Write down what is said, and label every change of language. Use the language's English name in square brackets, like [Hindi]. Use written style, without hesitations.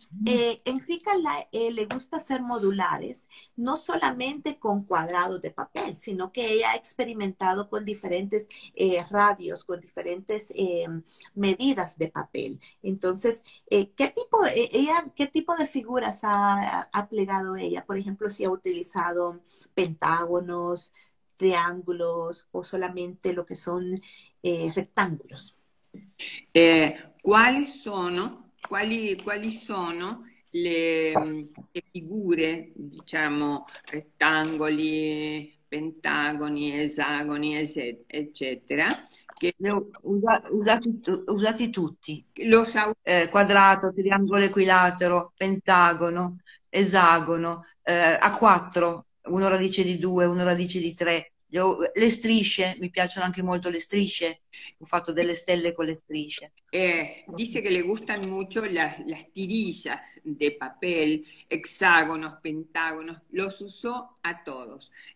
[Spanish] Enrica le gusta hacer modulares, no solamente con cuadrados de papel, sino que ella ha experimentado con diferentes radios, con diferentes medidas de papel. Entonces, ¿qué tipo de figuras ha plegado ella? Por ejemplo, si ha utilizado pentágonos, triángulos o solamente lo que son rectángulos. [Italian] Quali sono le figure, diciamo, rettangoli, pentagoni, esagoni, eccetera, che Usati tutti, lo sa. quadrato, triangolo equilatero, pentagono, esagono, A4, uno radice di due, uno radice di tre, le strisce, mi piacciono anche molto le strisce, ho fatto delle stelle con le strisce. [Spanish] Dice que le gustan mucho las tirillas de papel, hexágonos, pentágonos, los usó a todos.